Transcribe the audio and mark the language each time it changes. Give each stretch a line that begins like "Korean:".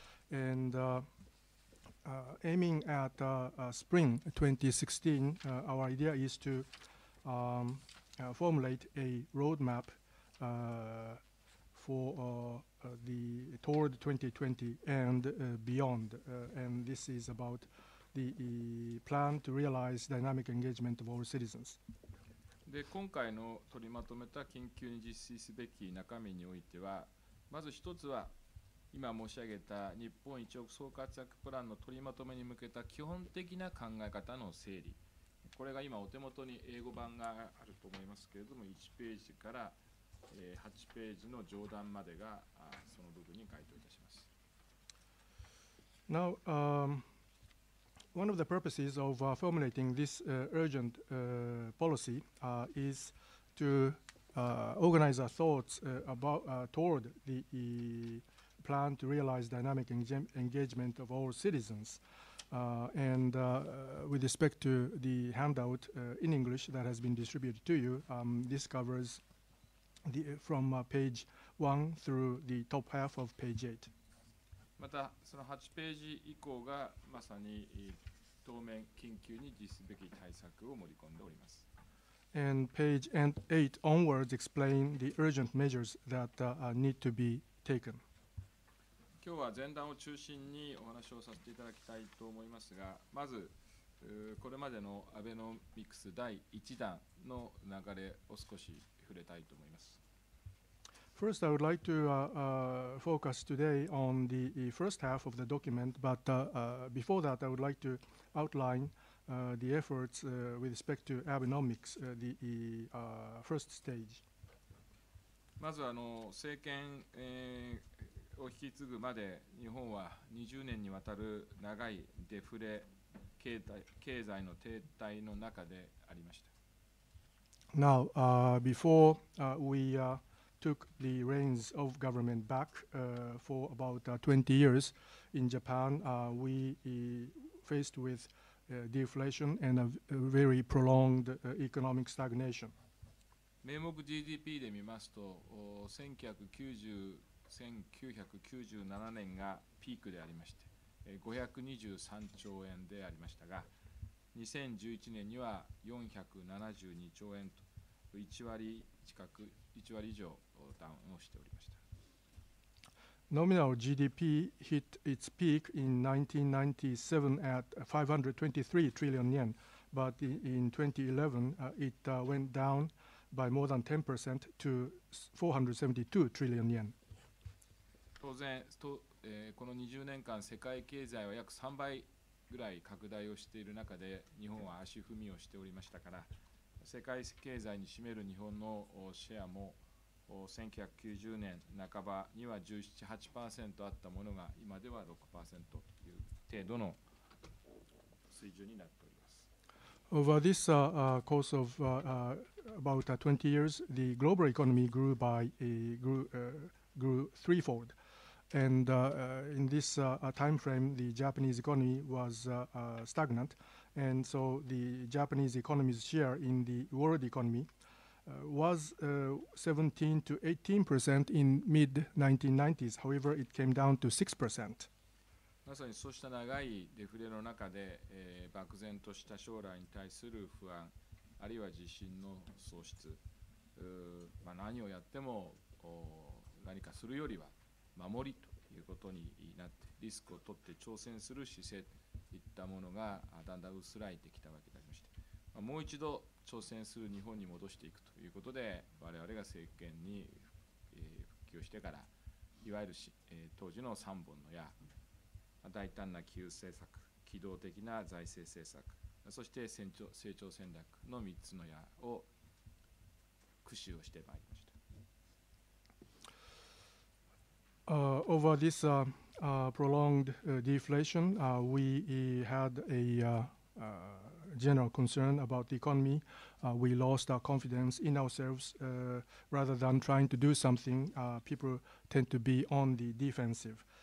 English: And aiming at spring 2016, our idea is to formulate a roadmap for the toward 2020 and beyond, and this is about the plan to realize dynamic engagement of all citizens.
Japanese: で、今回の取りまとめた緊急に実施すべき中身においては、まず一つは今申し上げた日本一億総活躍プランの取りまとめに向けた基本的な考え方の整理、これが今お手元に英語版があると思いますけれども、1ページから8ページの上段までがその部分に該当いたします。
English: Now, one of the purposes of formulating this urgent policy is to organize our thoughts about toward the plan to realize dynamic engagement of all citizens. And with respect to the handout in English that has been distributed to you, this covers the, from page 1 through the top half of page 8.
Japanese: またその8ページ以降がまさに当面緊急に実施すべき対策を盛り込んでおります。
English: And page 8 onwards explain the urgent measures that need to be taken.
Japanese: 今日は前段を中心にお話をさせていただきたいと思いますが、まずこれまでのアベノミクス第1弾の流れを少し触れたいと思います。
English: First, I would like to focus today on the first half of the document, but before that, I would like to outline the efforts with respect to Abenomics, the first stage.
Japanese: まず政権を引き継ぐまで日本は20年にわたる長いデフレ経済の停滞の中でありました。
English: Now, before we took the reins of government back for about 20 years in Japan, we faced with deflation and a very prolonged economic stagnation.
Japanese: 名目 GDP で見ますと、1997年がピークでありまして、523兆円でありましたが、2011年には472兆円と1割以上ダウンをしておりました。
English: Nominal GDP hit its peak in 1997 at 523 trillion yen, but in 2011 it went down by more than 10% to 472 trillion yen.
Japanese: 当然この20年間世界経済は約3倍ぐらい拡大をしている中で日本は足踏みをしておりましたから世界経済に占める日本のシェアも1990年半ばには 17-18% あったものが今では 6% という程度の水準になっております。
English: Over this course of about 20 years the global economy grew threefoldAnd in this time frame, the Japanese economy was stagnant, and so the Japanese economy's share in the world economy was 17-18% in mid-1990s. However, it came down to 6%.
Japanese: まさにそうした長いデフレの中で、漠然とした将来に対する不安、あるいは地震の喪失、何をやっても何かするよりは守りと。ということになってリスクを取って挑戦する姿勢といったものがだんだん薄らいできたわけでありまして、もう一度挑戦する日本に戻していくということで我々が政権に復帰をしてからいわゆる当時の三本の矢、大胆な金融政策、機動的な財政政策、そして成長戦略の3つの矢を駆使をしてまいりました。
English: Over this prolonged deflation, we had a general concern about the economy. We lost our confidence in ourselves. Rather than trying to do something, people tend to be on the defensive.